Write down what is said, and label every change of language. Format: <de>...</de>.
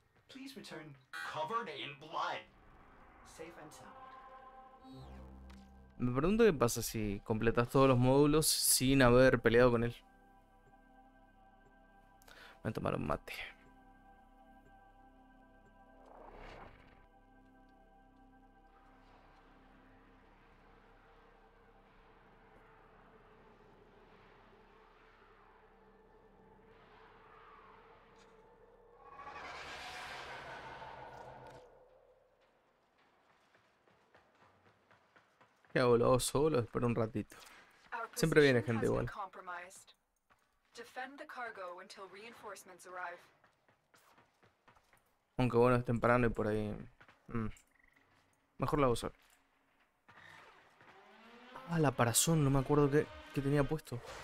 <en>Please return covered in blood. Safe and sound.</en> <es>Me pregunto qué pasa si completas todos los módulos sin haber peleado con él. Voy a tomar un mate. ¿Qué hago? ¿Lo hago solo? Espero un ratito. Siempre viene gente igual.</es> <en>Defend the cargo until reinforcements arrive.</en> <es>Aunque bueno, es temprano y por ahí. Mejor la voy a usar. Ah, la parasón, no me acuerdo qué tenía puesto.</es>